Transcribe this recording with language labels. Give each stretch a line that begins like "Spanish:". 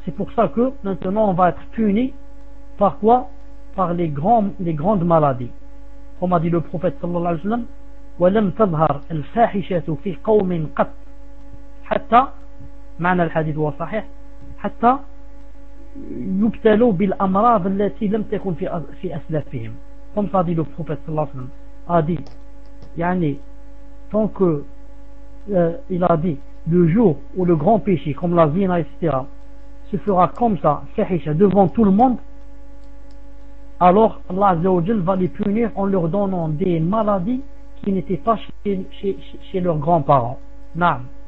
French: C'est pour ça que maintenant on va être puni par quoi? Par les grandes maladies. Comme a dit le prophète sallallahu alayhi wa sallam,
Arabic: wa lam tadhhar al-fahishatu fi qawmin qat. حتى معنى الحديث هو صحيح حتى يبتلوا بالأمراض التي لم تكن في أسلافهم.
French: Comme ça dit le prophète sallallahu alayhi wa sallam, a dit, yani, tant que, il a dit, le jour où le grand péché, comme la zina, etc., se fera comme ça, fahisha, devant tout le monde, alors Allah azzawajal va les punir en leur donnant des maladies qui n'étaient pas chez leurs grands-parents. Non.